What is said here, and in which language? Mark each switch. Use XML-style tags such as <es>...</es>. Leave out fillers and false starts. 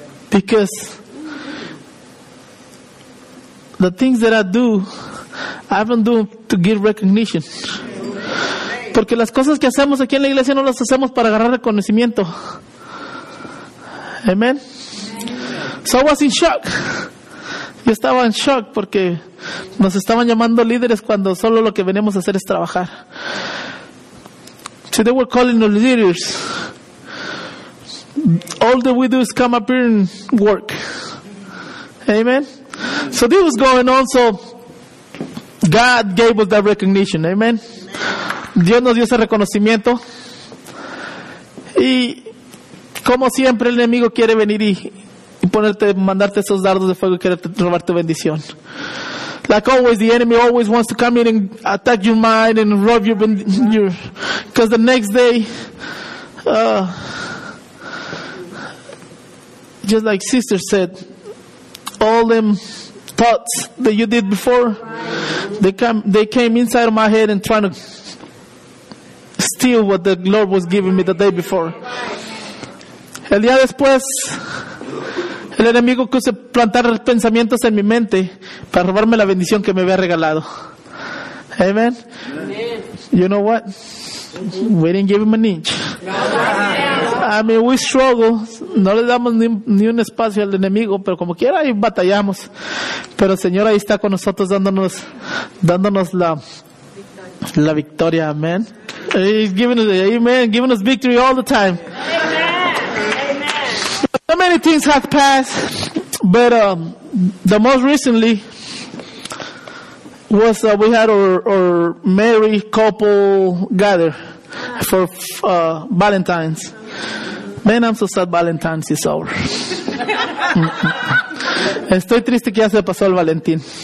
<en>Because the things that I do, I don't do to get recognition.</en> <es>Porque las cosas que hacemos aquí en la iglesia no las hacemos para agarrar reconocimiento. Amen.</es> <en>So I was in shock.</en> <es>Yo estaba en shock porque nos estaban llamando líderes cuando solo lo que venimos a hacer es trabajar.</es> <en>So they were calling the leaders. All that we do is come up here and work. Amen. So this was going on. So God gave us that recognition. Amen.</en> <es>Dios nos dio ese reconocimiento. Y como siempre, el enemigo quiere venir y ponerte, mandarte esos dardos de fuego y quererte robar tu bendición.</es> <en>Like always, the enemy always wants to come in and attack your mind and rob your because the next day, just like sister said, all them thoughts that you did before, they came inside of my head and trying to steal what the Lord was giving me the day before.</en> <es>El día después, el enemigo quiso plantar pensamientos en mi mente para robarme la bendición que me había regalado. Amen. Amen.</es> <en>You know what? We didn't give him an inch. I mean, we struggle.</en> <es>No le damos ni un espacio al enemigo, pero como quiera ahí batallamos. Pero el Señor ahí está con nosotros dándonos la victoria. Amen.</es> <en>He's giving us amen, giving us victory all the time. So many things have passed, but the most recently was we had our married couple gather for Valentine's. Man, I'm so sad Valentine's is over.</en> <es>Estoy triste que ya se pasó el Valentín.</es>